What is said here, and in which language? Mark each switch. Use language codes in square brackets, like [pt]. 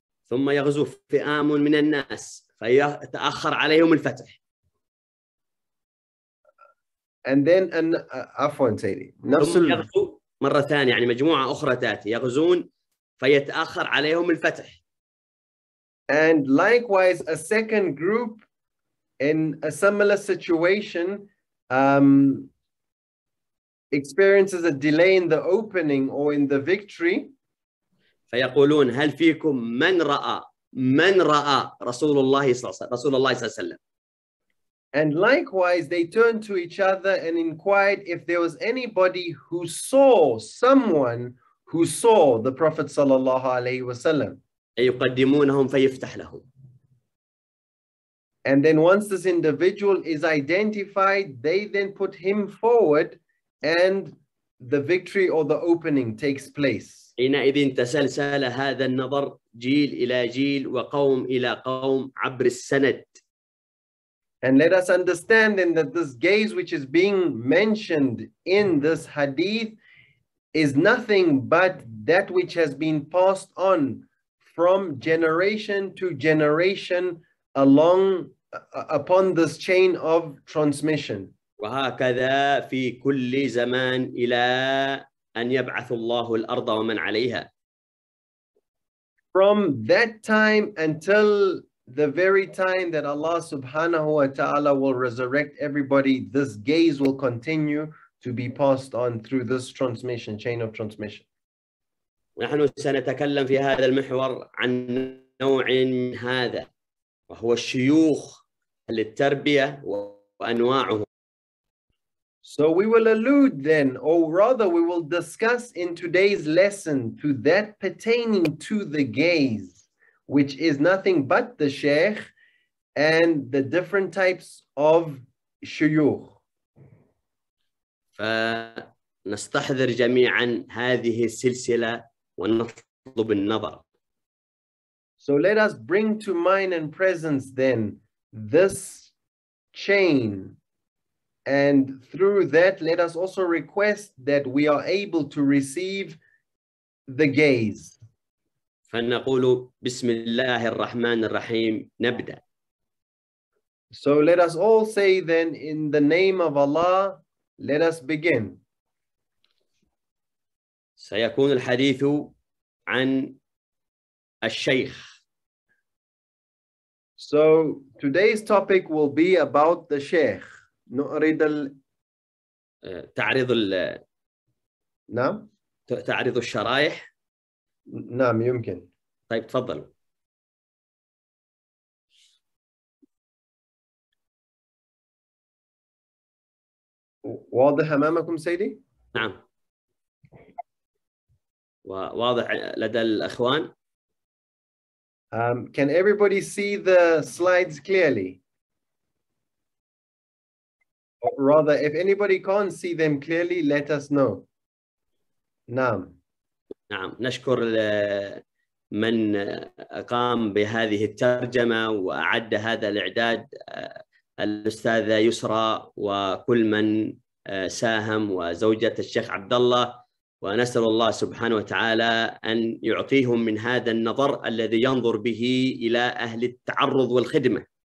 [ar] ثم يغزو فئام من الناس فيتأخر عليهم الفتح. [en] And then an [ar] عفواً سيدي نفس يغزو مرة ثانية يعني مجموعة أخرى تأتي يغزون فيتأخر عليهم الفتح. [en] And likewise a second group in a similar situation experiences a delay in the opening or in the victory. [ar] فيقولون هل فيكم من رأى رسول الله صلى الله عليه وسلم. [en] And likewise, they turned to each other and inquired if there was anybody who saw someone who saw the Prophet صلى الله عليه وسلم. [ar] يقدمونهم فيفتح لهم. [en] And then once this individual is identified, they then put him forward and the victory or the opening takes place. [ar] حينئذ تسلسل هذا النظر جيل إلى جيل وقوم إلى قوم عبر السند. [en] And let us understand then that this gaze which is being mentioned in this hadith is nothing but that which has been passed on from generation to generation along upon this chain of transmission. [ar] وهكذا في كل زمان إلى أن يبعث الله الأرض ومن عليها. [en] From that time until the very time that Allah subhanahu wa ta'ala will resurrect everybody, this gaze will continue to be passed on through this transmission, chain of transmission. [ar] نحن سنتكلم في هذا المحور عن نوع هذا وهو الشيوخ للتربية وأنواعه. [en] So we will allude then, or rather we will discuss in today's lesson to that pertaining to the gaze, which is nothing but the sheikh and the different types of shuyukh. [ar] فنستحضر جميعاً هذه السلسلة ونطلب النظر. [en] So let us bring to mind and presence then this chain. And through that, let us also request that we are able to receive the gaze. [ar] فنقول بسم الله الرحمن الرحيم نبدأ. [en] So let us all say then in the name of Allah, let us begin. [ar] سيكون الحديث عن الشيخ. [en] So today's topic will be about the sheikh. [ar] نعرض ال تعرض ال نعم تعرض الشرائح نعم يمكن طيب تفضل واضح أمامكم سيدي نعم واضح لدى الأخوان [en] can everybody see the slides clearly Rather, if anybody can't see them clearly, let us know. [ar] نعم. نعم. نشكر من أقام بهذه الترجمة وأعد هذا الإعداد الأستاذة يسرى وكل من ساهم وزوجة الشيخ عبد الله ونسأل الله سبحانه وتعالى أن يعطيهم من هذا النظر الذي ينظر به إلى أهل التعرض والخدمة.